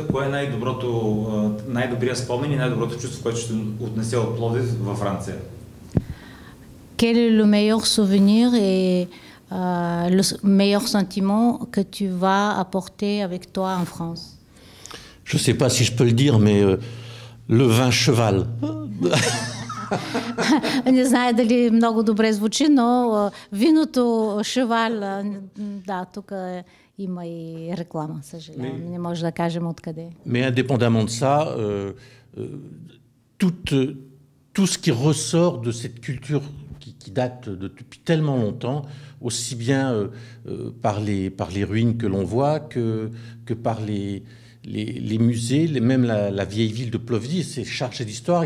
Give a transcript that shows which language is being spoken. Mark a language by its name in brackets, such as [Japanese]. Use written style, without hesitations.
[Bulgarian] Кое е най-доброто, най-добрия спомен и най-доброто чувство, което ще отнесе от Пловдив във Франция? [French] Quel est le meilleur souvenir et le meilleur sentiment que tu vas apporter avec toi en France? Je sais pas si je peux le dire, mais le vin cheval. [Bulgarian] Не знае дали много добре звучи, но виното Шевал, да, тук има и реклама, съжалявам, не може да кажем откъде. [French] Mais indépendamment de ça, tout ce qui ressort de cette culture qui date de depuis tellement longtemps, aussi bien par les ruines que l'on voit que par les musées, même la vieille ville de Plovdiv, c'est chargé d'histoire.